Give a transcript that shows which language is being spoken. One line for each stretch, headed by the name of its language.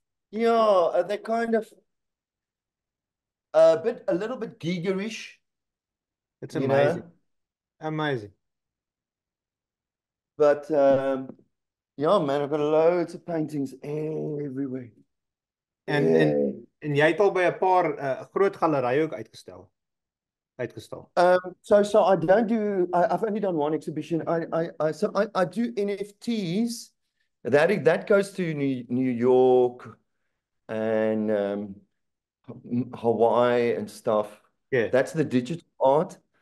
English: Yeah, they're kind of a little bit giggerish. It's amazing. Amazing. But man, I've got loads of paintings everywhere.
Afrikaans: And jy het al by 'n paar groot galerye ook uitgestel. uitgestal?
English: So I don't do, I've only done one exhibition. I do NFTs. That goes to New York and Hawaii and stuff. Yeah. That's the digital art.